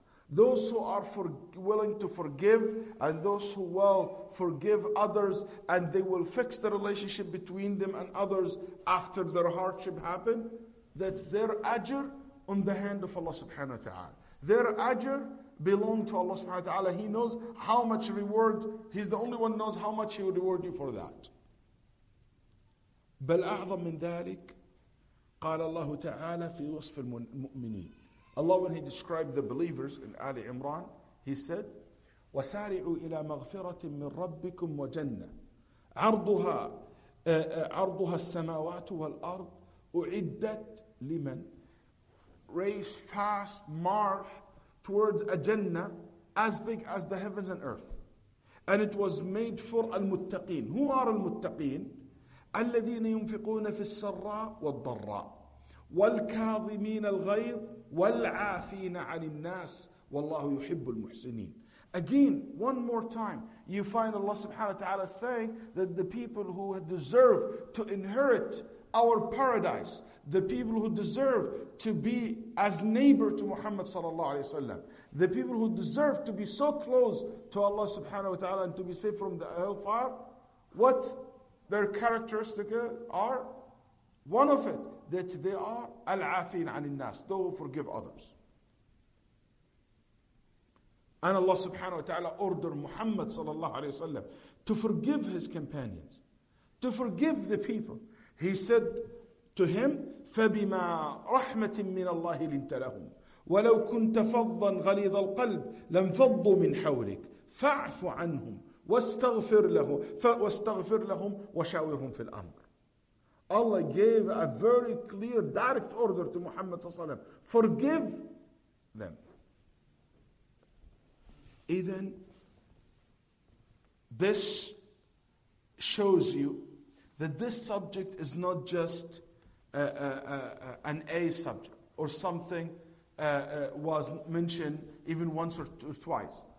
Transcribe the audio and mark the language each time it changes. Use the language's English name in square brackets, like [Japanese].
[English] Those who are willing to forgive, and those who will forgive others, and they will fix the relationship between them and others after their hardship happened, that their ajr on the hand of Allah subhanahu wa ta'ala. Their ajr belong to Allah subhanahu wa ta'ala. He knows how much reward, He's the only one who knows how much He will reward you for that. [Arabic] بَلْ أَعْظَمْ مِنْ ذَلِكَ قال الله تعالى في وصف المؤمنين. [English] Allah, when He described the believers in Ali Imran, He said, [Arabic] وَسَارِعُوا إِلَى مَغْفِرَةٍ مِّن رَبِّكُمْ وَجَنَّةٍ عَرْضُهَا السَّمَاوَاتُ وَالْأَرْضُ أُعِدَّتْ لِمَنْ. [English] Race fast, march towards a Jannah as big as the heavens and earth. And it was made for al-muttaqeen. Who are al-muttaqeen? [Arabic] الَّذِينَ يُنْفِقُونَ فِي السَّرَّاءِ وَالضَّرَّاءِ وَالْكَاظِمِينَ الْغَيْظِ وَالْعَافِينَ عَنِ النَّاسِ وَاللَّهُ يُحِبُّ الْمُحْسِنِينَ. [English] Again, one more time, you find Allah subhanahu wa ta'ala saying that the people who deserve to inherit our paradise, the people who deserve to be as neighbor to Muhammad sallallahu alayhi wa sallam, the people who deserve to be so close to Allah subhanahu wa ta'ala and to be safe from the hellfire, what their characteristics are? One of it, that they are al-afin an-nas, those who forgive others. And Allah subhanahu wa ta'ala ordered Muhammad sallallahu alayhi wa sallam to forgive his companions, to forgive the people. He said to him, [Arabic] فَبِمَا رَحْمَةٍ مِّنَ اللَّهِ لِنْتَ لَهُمْ وَلَوْ كُنْتَ فَضًّا غَلِيظَ الْقَلْبِ لَمْ فَضُّوا مِنْ حَوْلِكَ فَاعْفُ عَنْهُمْ وَاسْتَغْفِرْ لَهُمْ وَشَاوِرْهُمْ فِي الْأَمْرِ. [English] Allah gave a very clear, direct order to Muhammad sallallahu alayhi wa sallam, forgive them. Then, this shows you that this subject is not just an A subject or something was mentioned even once or twice.